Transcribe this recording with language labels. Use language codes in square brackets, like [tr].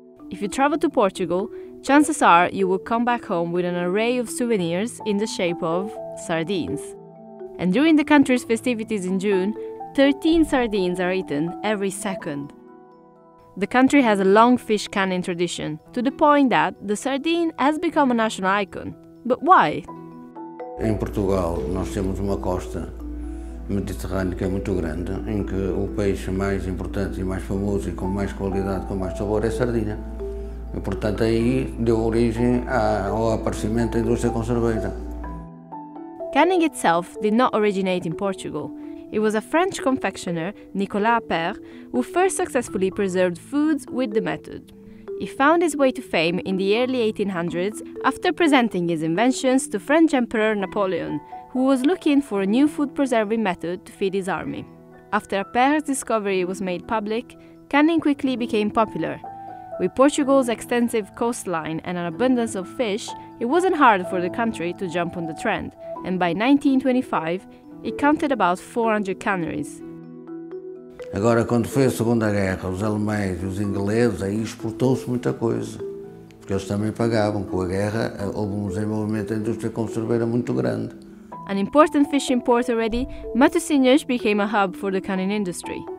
[en] If you travel to Portugal, chances are you will come back home with an array of souvenirs in the shape of sardines. And during the country's festivities in June, 13 sardines are eaten every second. The country has a long fish canning tradition, to the point that the sardine has become a national icon. But why? In Portugal, [pt] nós temos uma costa mediterrânica muito grande, em que o peixe mais importante e mais famoso e com mais qualidade, com mais sabor, é a sardinha. E, portanto, aí deu origem ao aparecimento da indústria conserveira. [en] Canning itself did not originate in Portugal. It was a French confectioner, Nicolas Appert, who first successfully preserved foods with the method. He found his way to fame in the early 1800s after presenting his inventions to French Emperor Napoleon, who was looking for a new food preserving method to feed his army. After Appert's discovery was made public, canning quickly became popular. With Portugal's extensive coastline and an abundance of fish, it wasn't hard for the country to jump on the trend, and by 1925, it counted about 400 canneries. [pt] Agora, quando foi a Segunda Guerra, os alemães e os ingleses, aí exportou-se muita coisa, porque eles também pagavam. Com a guerra, houve um desenvolvimento da indústria conserveira muito grande. [en] An important fishing port already, Matosinhos became a hub for the canning industry.